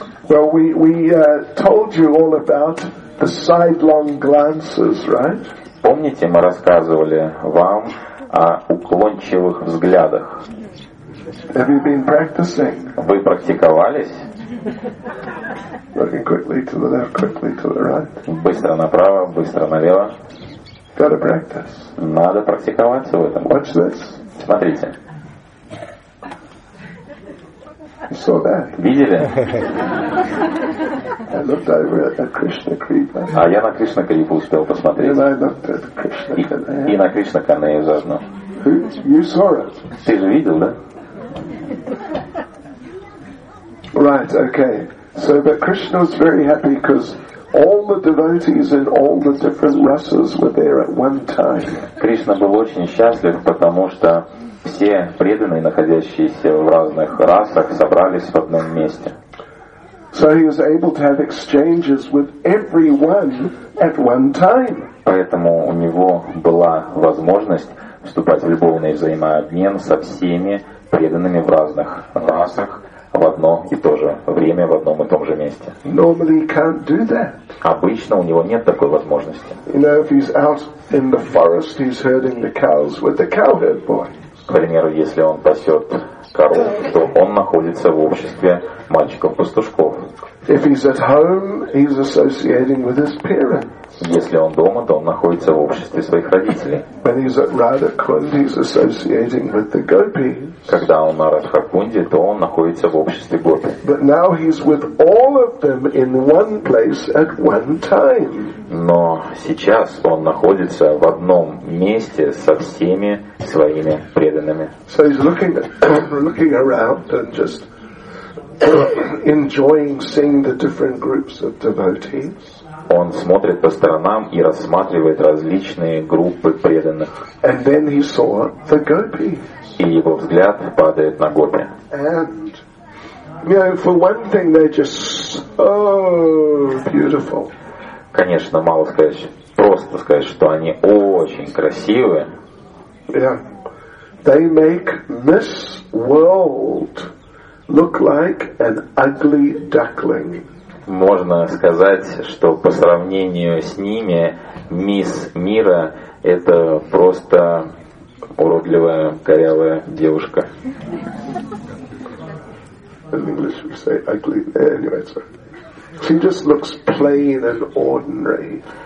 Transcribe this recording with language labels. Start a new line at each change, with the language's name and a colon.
English: Well, we told you all about the sidelong glances, right?
Russian: Помните, мы рассказывали вам о уклончивых взглядах.
English: Have you been practicing?
Russian: Вы практиковались?
English: Looking quickly to the left, quickly to the right.
Russian: Быстро направо, быстро налево.
English: Better practice.
Russian: Надо практиковаться в этом.
English: Watch this.
Russian: Смотрите.
English: You saw that.
Russian: Видели?
English: I looked over at Krishna Kripa.
Russian: А я на Кришна Крипу успел посмотреть.
English: And I looked at Krishna Kanaya.
Russian: И на Кришна Канаю заодно.
English: You saw it.
Russian: Ты же видел, да?
English: Right, okay. So, but Krishna was very happy because all the devotees in all the different rasas were there at one time.
Russian: Кришна был очень счастлив, потому что все преданные, находящиеся в разных расах, собрались в одном месте.
English: So he was able to have exchanges with everyone at one time.
Russian: Поэтому у него была возможность вступать в любовный взаимообмен со всеми преданными в разных расах в одно и то же время, в одном и том же месте.
English: Normally he can't do that.
Russian: Обычно у него нет такой возможности.
English: You know, if he's out in the forest, he's herding the cows with the cowherd boy.
Russian: К примеру, если он пасет коров, то он находится в обществе мальчиков-пастушков.
English: If he's at home, he's associating with his parents.
Russian: Если он дома, то он находится в обществе своих родителей.
English: When he's at Radhakund, he's associating with the gopis.
Russian: Когда он на Радхакунде, то он находится в обществе гопи.
English: But now he's with all of them in one place at one time.
Russian: Но сейчас он находится в одном месте со всеми своими преданными.
English: So he's looking around and just enjoying seeing the different groups of devotees.
Russian: Он смотрит по сторонам и рассматривает различные группы преданных.
English: And then he saw the gopis.
Russian: И его взгляд падает на гопи.
English: And, you know, for one thing, they're just so beautiful.
Russian: Конечно, мало сказать, просто сказать, что они очень красивые.
English: Yeah. They make this world look like an ugly duckling.
Russian: Можно сказать, что по сравнению с ними мисс Мира это просто уродливая корявая девушка.
English: In English we say ugly. Anyway, sorry. She just looks plain and ordinary.